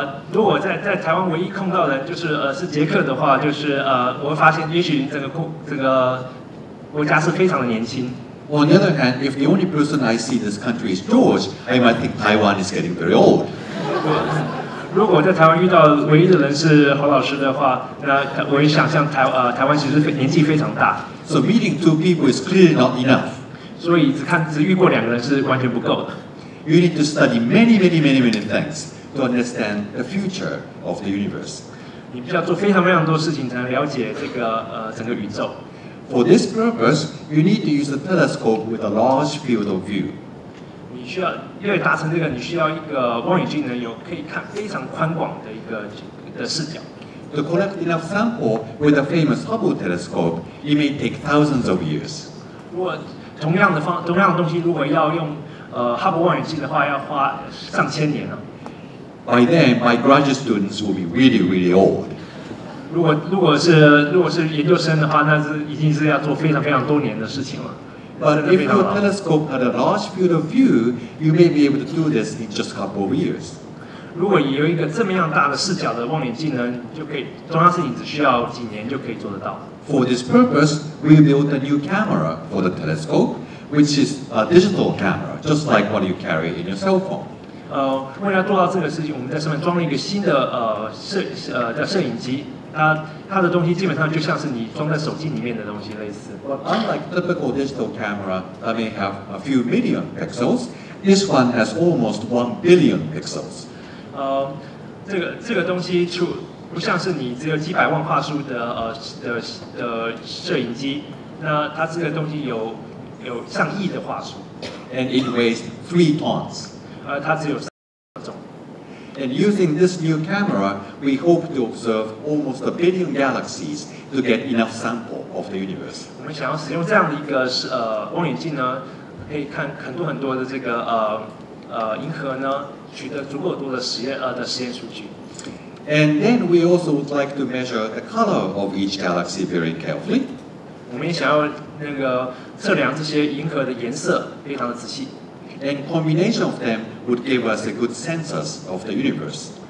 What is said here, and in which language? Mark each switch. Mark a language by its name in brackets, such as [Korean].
[Chinese] 如果在台湾唯一碰到的就是是捷克的话，就是我会发现也许整个国家是非常的年轻。 [English] On the other hand, if the only person I see in this country is George, I might think Taiwan is getting very old. [Chinese] 如果在台湾遇到唯一的人是侯老师的话，那我也想象台湾其实年纪非常大。 [English] So meeting two people is clearly not enough. [Chinese] 所以只遇过两个人是完全不够的。 [English] You need to study many, many, many, many things to understand the future of the universe. [Chinese] 你必须要做非常非常多事情才能了解整个宇宙。 [English] For this purpose, you need to use a telescope with a large field of view. [Chinese] 因为达成这个，你需要一个望远镜能有可以看非常宽广的一个的视角。 [English] To collect enough sample with a famous Hubble telescope, it may take thousands of years. [Chinese] 如果同样的东西，如果要用Hubble望远镜的话，要花上千年了。 [English] By then, my graduate students will be really, really old. [Chinese] 如果是研究生的话，那是已经是要做非常非常多年的事情了。 [English] But if your telescope had a large field of view, you may be able to do this in just a couple of years. [Chinese] 如果有一个这么样大的视角的望远镜呢，就可以同样事情只需要几年就可以做得到。 [English] For this purpose, we built a new camera for the telescope, which is a digital camera, just like what you carry in your cell phone. [Chinese] 为了做到这个事情，我们在上面装了一个新的摄影机。它的东西基本上就像是你装在手机里面的东西类似。 [English] But unlike typical digital camera that may have a few million pixels, this one has almost 1 billion pixels. [Chinese] 这个东西不像是你只有几百万画素的摄影机，那它这个东西有上亿的画素。 [English] And it weighs 3 tons. [Chinese] 它只有三种。 [English] And using this new camera, we hope to observe almost 1 billion galaxies to get enough sample of the universe. [Chinese] 我们想要使用这样的一个望远镜呢，可以看很多很多的这个银河呢，取得足够多的实验数据。 [English] And then we also would like to measure the color of each galaxy very carefully. [Chinese] 我们也想要测量这些银河的颜色，非常的仔细。 [English] And combination of them would give us a good census of the universe.